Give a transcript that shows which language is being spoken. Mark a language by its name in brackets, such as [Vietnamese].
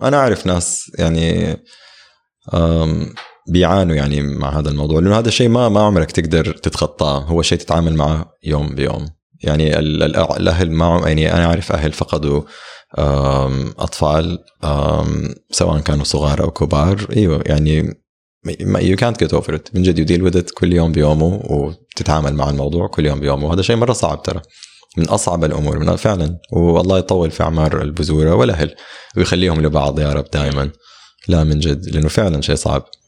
[Arabic] أنا أعرف ناس يعني بيعانوا يعني مع هذا الموضوع, لأنه هذا الشيء ما عمرك تقدر تتخطاه, هو شيء تتعامل معه يوم بيوم. يعني الأهل ما يعني أنا أعرف أهل فقدوا أطفال سواء كانوا صغار أو كبار. أيوة يعني [English] you can't get over it. [Arabic] من جد [English] you deal with it [Arabic] كل يوم بيومه وتتعامل مع الموضوع كل يوم بيومه, وهذا شيء مرة صعب ترى, من أصعب الأمور من فعلا. والله يطول في أعمار البزورة والأهل ويخليهم لبعض يا رب دائما. لا من جد لأنه فعلا شيء صعب.